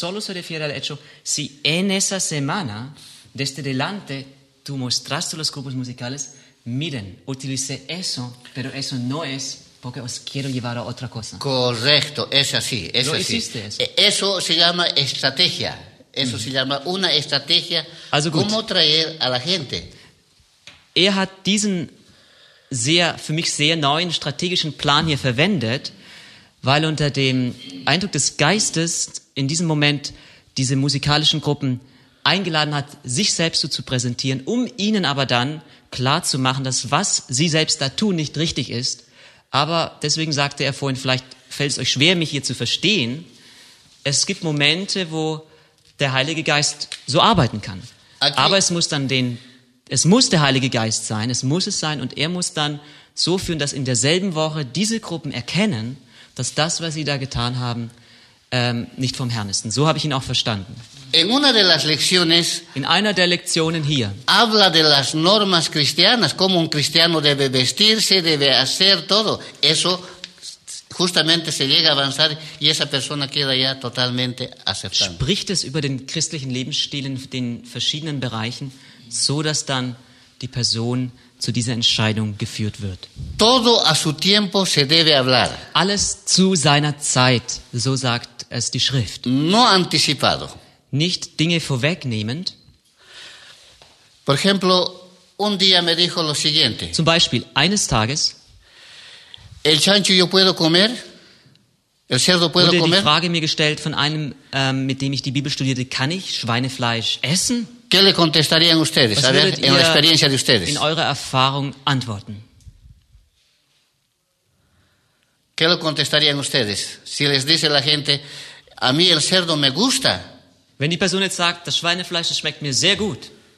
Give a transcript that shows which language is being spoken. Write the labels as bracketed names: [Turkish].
[Spanish] Solo se refiere al hecho si en esa semana, desde delante, tú mostraste los grupos musicales, miren, utilicé eso, pero eso no es porque os quiero llevar a otra cosa. Correcto, es así, es ¿lo así? ¿Hiciste eso? Eso se llama estrategia. Eso se llama una estrategia. [German] Also gut. [Spanish] ¿Cómo traer a la gente? [German] Er hat diesen sehr, für mich sehr neuen strategischen Plan hier verwendet, weil unter dem Eindruck des Geistes in diesem Moment diese musikalischen Gruppen eingeladen hat, sich selbst so zu präsentieren, um ihnen aber dann klar zu machen, dass was sie selbst da tun, nicht richtig ist. Aber deswegen sagte er vorhin, vielleicht fällt es euch schwer, mich hier zu verstehen. Es gibt Momente, wo der Heilige Geist so arbeiten kann. Okay. Aber es muss dann es muss der Heilige Geist sein, es muss es sein und er muss dann so führen, dass in derselben Woche diese Gruppen erkennen, dass das, was sie da getan haben, nicht vom Herrn ist. Und so habe ich ihn auch verstanden. [Spanish] En una de las lecciones, [German] in einer der Lektionen hier [Spanish] habla de las normas cristianas, como un cristiano debe vestirse, debe hacer todo. Eso justamente se llega a avanzar y esa persona queda ya totalmente aceptando. [German] Spricht es über den christlichen Lebensstil in den verschiedenen Bereichen, so dass dann die Person zu dieser Entscheidung geführt wird. [Spanish] Todo a su tiempo se debe hablar. [German] Alles zu seiner Zeit, so sagt es die Schrift. [Spanish] No anticipado. [German] Nicht Dinge vorwegnehmend. [Spanish] Por ejemplo, un día me dijo lo siguiente. [German] Zum Beispiel eines Tages. [Spanish] El chancho yo puedo comer. El cerdo puedo comer. [German] Wurde die Frage mir gestellt von einem, mit dem ich die Bibel studierte, kann ich Schweinefleisch essen? [Spanish] ¿Qué le contestarían ustedes? [German] Was würdet ihr, [Spanish] en la experiencia de ustedes? [German] In eurer Erfahrung antworten. [Spanish] ¿Qué le contestarían ustedes? Si les dice la gente, a mí el cerdo me gusta. [German] Wenn die Person jetzt sagt, das Schweinefleisch schmeckt mir sehr gut.